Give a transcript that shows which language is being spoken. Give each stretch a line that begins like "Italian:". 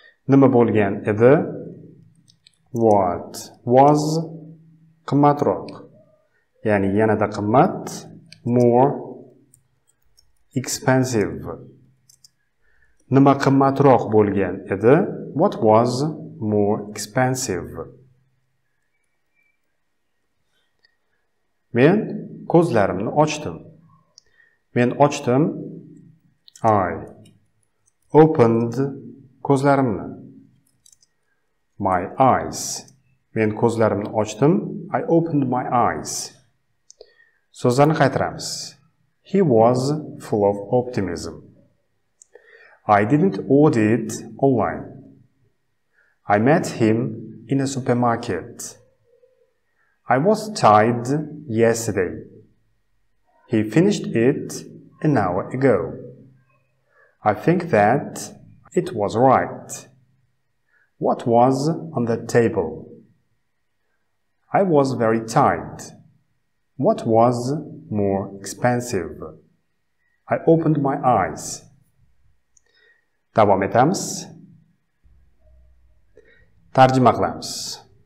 Uzbek: Nima bo'lgan edi?
English: What was
Uzbek: qimmatroq? Ya'ni yanada qimmat,
English: more expensive.
Uzbek: Nima qimmatroq bo'lgan edi?
English: What was more expensive?
Uzbek: Men ko'zlarimni ochdim. Men ochdim.
English: I opened
Uzbek: ko'zlarimni.
English: My eyes.
Uzbek: Men ko'zlarimni ochdim.
English: I opened my eyes.
Uzbek: So'zlarni qaytaramiz.
English: He was full of optimism. I didn't order it online. I met him in a supermarket. I was tired yesterday. He finished it an hour ago. I think that it was right. What was on the table? I was very tired. What was more expensive? I opened my eyes.
Uzbek: Davom etamiz. Tarjima qilamiz.